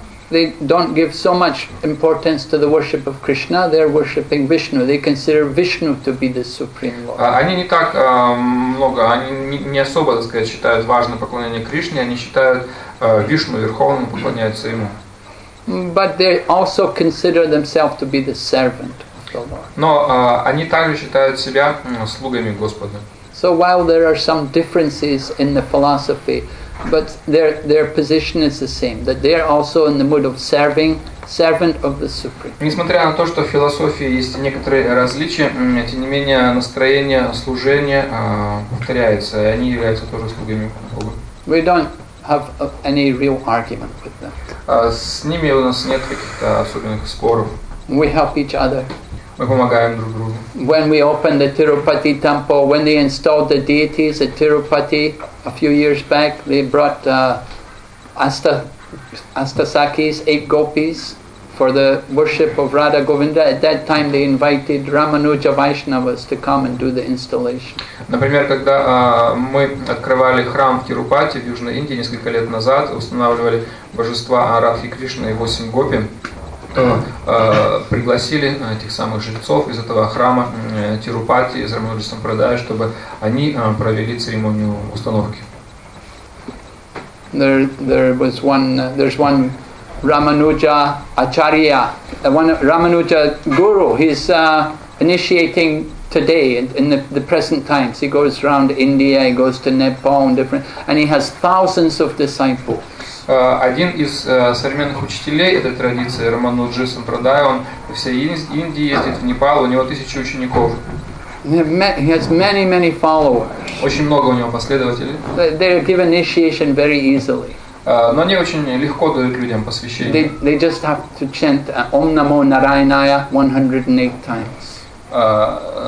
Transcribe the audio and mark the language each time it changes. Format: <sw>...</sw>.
<en>They don't give so much importance to the worship of Krishna. They're worshiping Vishnu. They consider Vishnu to be the supreme lord.</en> <ru>Они не так много, они не особо, так сказать, считают важным поклонение Кришне. Они считают Вишну верховным, поклоняются ему.</ru> <en>But they also consider themselves to be the servant.</en> <ru>Но они также считают себя слугами Господа.</ru> <en>So while there are some differences in the philosophy, but their position is the same, that they are also in the mood of serving, servant of the Supreme.</en> <ru>Несмотря на то, что в философии есть некоторые различия, тем не менее настроение служения повторяется, и они являются тоже слугами Бога.</ru> <en>We don't have any real argument with them.</en> <ru>С ними у нас нет каких-то особенных споров.</ru> <en>We help each other.</en> <ru>Мы помогаем друг другу.</ru> <en>When we opened the Tirupati temple, when they installed the deities at Tirupati a few years back, they brought Astasakis, eight gopis, for the worship of Radha Govinda. At that time, they invited Ramanuja Vaishnavas to come and do the installation.</en> <ru>Например, когда мы открывали храм в Тирупати в Южной Индии несколько лет назад, устанавливали божества Радхи Кришны и восемь гопи, то пригласили этих самых жрецов из этого храма Тирупати из Рамануджа Сампрадая, чтобы они провели церемонию установки.</ru> <en>There's one Рамануджа Ачарья, one Рамануджа Гуру, he's initiating today in the present times. He goes around India, he goes to Nepal and different, and he has thousands of disciples.</en> <ru>Один из современных учителей этой традиции, Рамануджа Сампрадая, он во всей Индии ездит, в Непал, у него тысячи учеников.</ru> <en>He has many, many followers.</en> <ru>Очень много у него последователей.</ru> <en>They give initiation very easily.</en> <ru>Но они очень легко дают людям посвящение.</ru> <en>They just have to chant Om Namo Narayanaya 108 times.</en>